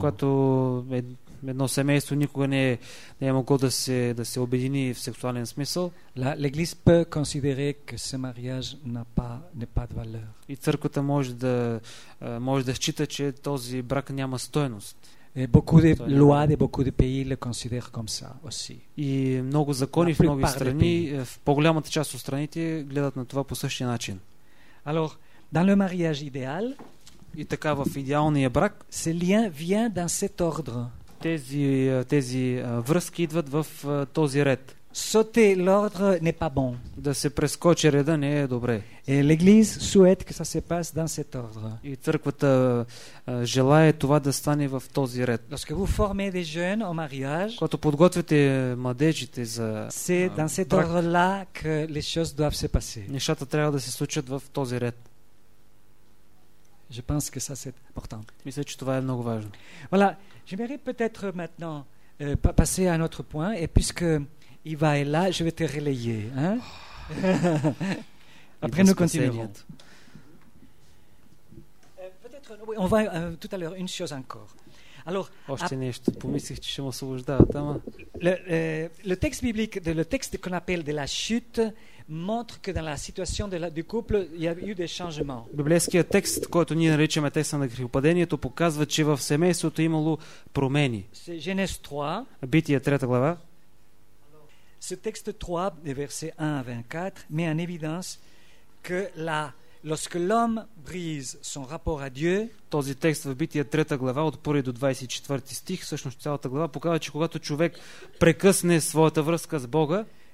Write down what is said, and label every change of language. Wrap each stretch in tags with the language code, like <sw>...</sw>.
<bg>Когато едно семейство никога не е могло да се обедини в сексуален смисъл.</bg> <fr>L'église peut considérer que ce mariage n'est pas de valeur.</fr> <bg>И църквата може да счита, че този брак няма стойност.</bg> <fr>Et beaucoup de lois de beaucoup de pays le considèrent comme ça aussi.</fr> <bg>И много закони в много страни, в по-голямата част от страните гледат на това по същия начин.</bg> <fr>Alors, Dans le mariage idéal,</fr> <bg>и така в идеалния брак,</bg> <fr>ce lien vient dans cet ordre.</fr> <bg>Тези връзки идват в този ред.</bg> <fr>Sauter l'ordre n'est pas bon.</fr> <bg>Да се прескочи реда не е добре.</bg> <fr>Et l'église souhaite que ça se passe dans cet ordre.</fr> <bg>И църквата желае това да стане в този ред.</bg> <fr>Lorsque vous formez des jeunes au mariage,</fr> <bg>когато подготвяте младежите за</bg> <fr>c'est dans cet</fr> <bg>брак,</bg> <fr>ordre-là que les choses doivent se passer.</fr> <bg>Нещата трябва да се случат в този ред.</bg> <fr>Je pense que ça c'est important.</fr> <bg>Мисля, че това е много важно.</bg> <fr>Voilà, j'aimerais peut-être maintenant passer à un autre point et puisque Iva est là, je vais te relayer. Hein? Après, nous continuerons. Peut-être, on va tout à l'heure, une chose encore. Alors, le texte biblique, le texte qu'on appelle de la chute, montre que dans la situation du couple, il y a eu des changements.</fr> <bg>Библейският текст, който ние наричаме текста на грехопадението, показва, че в семейството имало промени.</bg> <fr>C'est Genèse 3.</fr> <bg>Бития 3 глава.</bg> <fr>Ce texte 3, versets 1 à 24, met en évidence que là, lorsque l'homme brise son rapport à Dieu,</fr> <bg>този текст в Бития 3 глава от 1 до 24 стих, всъщност цялата глава показва, че когато човек прекъсне своята връзка с Бога,</bg>